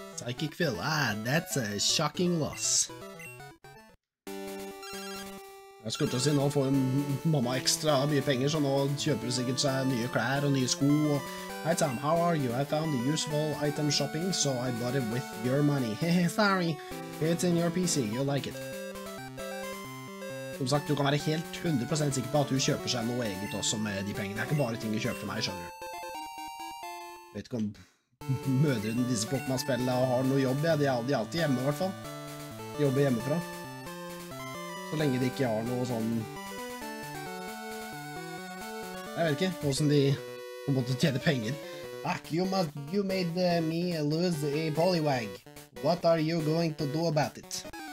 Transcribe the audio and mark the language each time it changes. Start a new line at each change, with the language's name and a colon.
English: Psychic Phil, that's a shocking loss.
Norwegian: Jeg skulle til å si, nå får mamma ekstra mye penger, så nå kjøper hun sikkert seg nye klær og nye sko.
English: Hi Tom, how are you? I found a useful item shopping, so I bought it with your money. Hehe, sorry. It's in your PC, you'll like it.
Norwegian: Som sagt, du kan være helt 100% sikker på at hun kjøper seg noe eget også med de pengene. Det er ikke bare ting hun kjøper for meg, skjønner du. Vet ikke om... Mødrene disse Pokémon-spillene og har noe jobb, ja, de er alltid hjemme i hvert fall. De jobber hjemmefra. Så lenge de ikke har noe sånn... Jeg vet ikke, hvordan de på en måte tjener penger.
English: Fuck, you made me lose a Poliwag. What are you going to do about it?